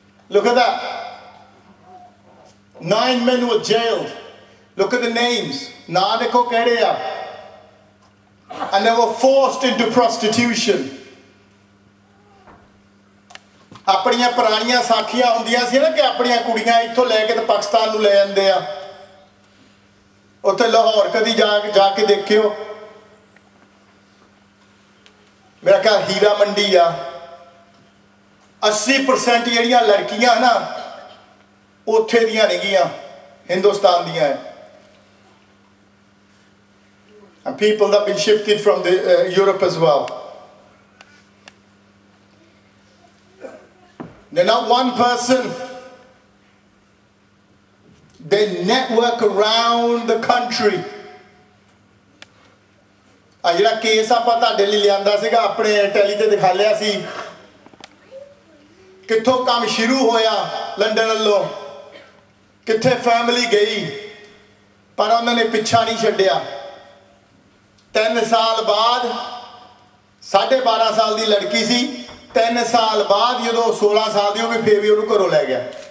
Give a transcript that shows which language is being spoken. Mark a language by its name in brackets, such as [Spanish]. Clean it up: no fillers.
[English] look at that 9 men were jailed look at the names [Punjabi] ਨਾਂ ਦੇਖੋ ਕਿਹੜੇ ਆ [English] and they were forced into prostitution [Punjabi] ਆਪਣੀਆਂ ਪੁਰਾਣੀਆਂ ਸਾਖੀਆਂ ਹੁੰਦੀਆਂ ਸੀ ਨਾ ਕਿ ਆਪਣੀਆਂ ਕੁੜੀਆਂ ਇੱਥੋਂ ਲੈ ਕੇ ਤੇ ਪਾਕਿਸਤਾਨ ਨੂੰ ਲੈ ਜਾਂਦੇ ਆ ਉੱਥੇ ਲਾਹੌਰ ਕਦੀ ਜਾ ਕੇ ਦੇਖਿਓ ਮੇਰਾ ਘਰ ਹੀਰਾ ਮੰਡੀ ਆ 80% ਜਿਹੜੀਆਂ ਲੜਕੀਆਂ ਨਾ ਉੱਥੇ ਦੀਆਂ ਨੀਗੀਆਂ ਹਿੰਦੁਸਤਾਨ ਦੀਆਂ ਹੈ [English] and people that been shifted from the Europe as well. They're not one person. They network around the country. [Punjabi] ਅਜਿਹਾ ਕੇਸ ਆਪਾਂ ਤੁਹਾਡੇ ਲਈ ਲਿਆਂਦਾ ਸੀਗਾ ਆਪਣੇ ਟੈਲੀ ਤੇ ਦਿਖਾ ਲਿਆ ਸੀ ਕਿੱਥੋਂ ਕੰਮ ਸ਼ੁਰੂ ਹੋਇਆ ਲੰਡਨ ਵੱਲੋਂ ਕਿੱਥੇ ਫੈਮਿਲੀ ਗਈ ਪਰ ਉਹਨਾਂ ਨੇ ਪਿੱਛਾ ਨਹੀਂ ਛੱਡਿਆ ਤਿੰਨ ਸਾਲ ਬਾਅਦ ਸਾਢੇ 12 ਸਾਲ ਦੀ ਲੜਕੀ ਸੀ ਤਿੰਨ ਸਾਲ ਬਾਅਦ ਜਦੋਂ 16 ਸਾਲ ਦੀ ਉਹ ਵੀ ਫੇਰ ਵੀ ਉਹਨੂੰ ਘਰੋਂ ਲੈ ਗਿਆ